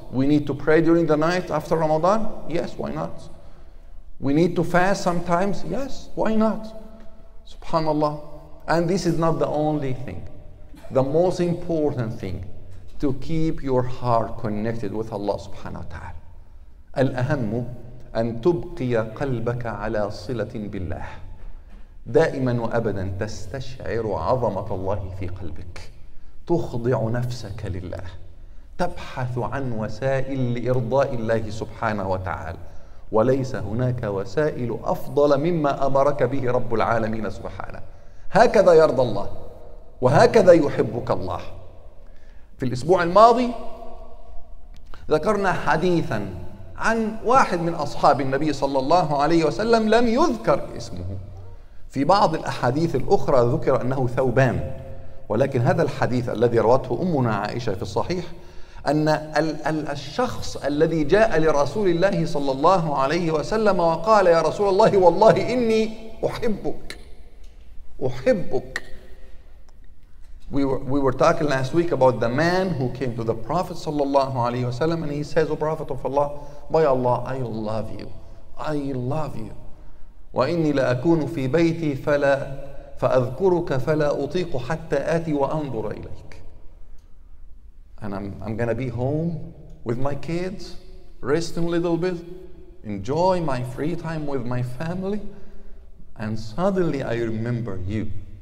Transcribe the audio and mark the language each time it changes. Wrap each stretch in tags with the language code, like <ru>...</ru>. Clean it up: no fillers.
<en>We need to pray during the night after Ramadan? Yes, why not? We need to fast sometimes? Yes, why not? Subhanallah. And this is not the only thing. The most important thing, to keep your heart connected with Allah subhanahu wa ta'ala.</en> <ar>الأهم أن تبقي قلبك على صلة بالله. دائما وأبدا تستشعر عظمة الله في قلبك. تخضع نفسك لله. تبحث عن وسائل لإرضاء الله سبحانه وتعالى. وليس هناك وسائل أفضل مما أمرك به رب العالمين سبحانه. هكذا يرضى الله وهكذا يحبك الله. في الأسبوع الماضي ذكرنا حديثا عن واحد من أصحاب النبي صلى الله عليه وسلم لم يذكر اسمه. في بعض الأحاديث الأخرى ذكر أنه ثوبان، ولكن هذا الحديث الذي روته أمنا عائشة في الصحيح أن الشخص الذي جاء لرسول الله صلى الله عليه وسلم وقال: يا رسول الله، والله إني أحبك أحبك.</ar> <en>We were talking last week about the man who came to the Prophet</en> <ar>صلى الله عليه وسلم</ar> <en>and he says, O Prophet of Allah, by Allah, I love you. I love you.</en> <ar>وَإِنِّي لَأَكُونُ فِي بَيْتِي فَلَا فَأَذْكُرُكَ فَلَا أُطِيقُ حَتَّى آتِي وَأَنْظُرَ إِلَيْكَ.</ar> <en>And I'm gonna be home with my kids, resting a little bit, enjoy my free time with my family, and suddenly I remember you.</en>